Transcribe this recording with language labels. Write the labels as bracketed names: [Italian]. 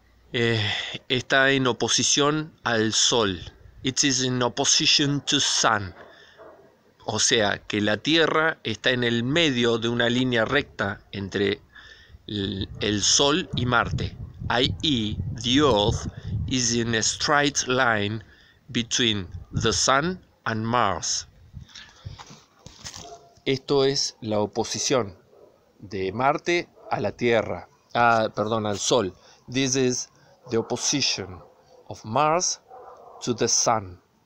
[Spanish] Está en oposición al Sol. [English] It is in opposition to Sun. [Spanish] O sea, que la Tierra está en el medio de una línea recta entre el Sol y Marte. [English] I.e., the Earth is in a straight line between the Sun and Mars. [Spanish] Esto es la oposición de Marte a la Tierra. Ah, perdón, al Sol. [English] This is the opposition of Mars to the Sun.